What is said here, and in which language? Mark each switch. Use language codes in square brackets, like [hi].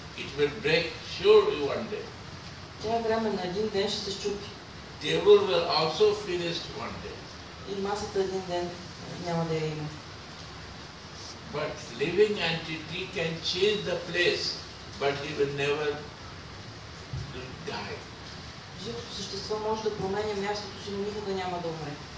[en] It will break surely one day. [bg] Тя е временна, един ден ще се счупи. [en] Table will also finish one day. [bg] И масата един ден няма да я има. [en] But living entity can change the place, but he will never die. [bg] Живото същество може да променя мястото си, но никога няма да умре.